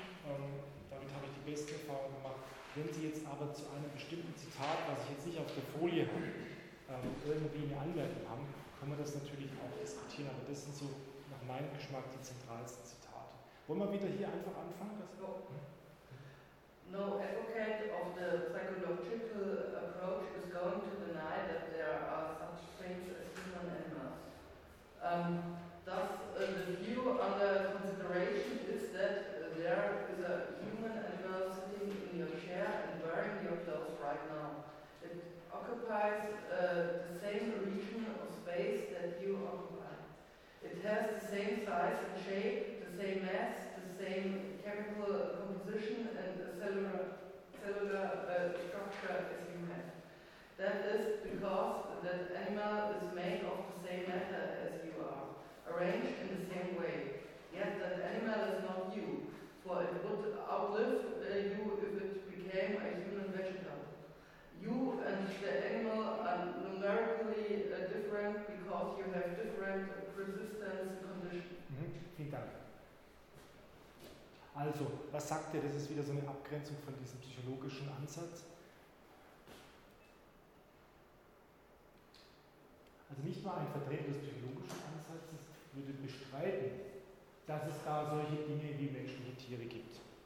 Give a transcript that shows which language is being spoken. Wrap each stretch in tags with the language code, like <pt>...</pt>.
<de>Damit habe ich die beste Erfahrung gemacht. Wenn Sie jetzt aber zu einem bestimmten Zitat, was ich jetzt nicht auf der Folie habe, irgendwie eine Anmerkung haben, können wir das natürlich auch diskutieren. Aber das sind so nach meinem Geschmack die zentralsten Zitate. Wollen wir wieder hier einfach anfangen?</de> <en>No advocate of the psychological approach is going to deny that there are such things as human animals. Thus, the view under consideration is that there is a human animal sitting in your chair and wearing your clothes right now. It occupies the same region of space that you occupy. It has the same size and shape, the same mass, the same chemical composition and cellular structure as you have. That is because that animal is made of the same matter as you are, arranged in the same way. Yet that animal is not you, for it would outlive you if it became a human vegetable. You and the animal are numerically different because you have different resistance conditions.</en> <de>Vielen Dank. Also, was sagt er? Das ist wieder so eine Abgrenzung von diesem psychologischen Ansatz. Also nicht nur ein Vertreter des psychologischen Ansatzes würde bestreiten, dass es da solche Dinge wie menschliche Tiere gibt.</de>